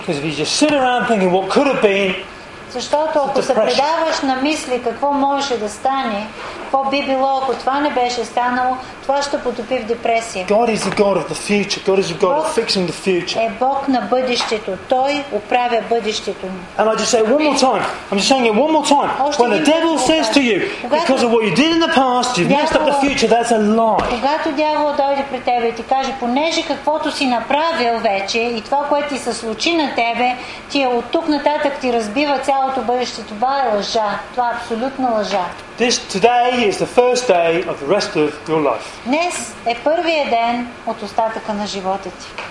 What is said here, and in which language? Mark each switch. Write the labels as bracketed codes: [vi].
[en] Because if you just sit around thinking what could have been, [bg] защото ако се предаваш на мисли какво можеше да стане, какво би било, ако това не беше станало, това ще потопи в депресия. [en] God is the God of the future. God is the God of fixing the future. [bg] Е Бог на бъдещето. Той управя бъдещето ни. [en] And I just say one more time. I'm just saying it one more time. When the devil says to you, because of what you did in the past, you've messed up the future, that's a lie. [bg] Когато дявол дойде при тебе и ти каже, понеже каквото си направил вече и това, което ти се случи на тебе, ти е от тук нататък ти разбива цялото бъдеще. Това е лъжа. Това е абсолютна лъжа. [en] This today is the first day of the rest of your life. [bg] Днес е първия ден от остатъка на живота ти.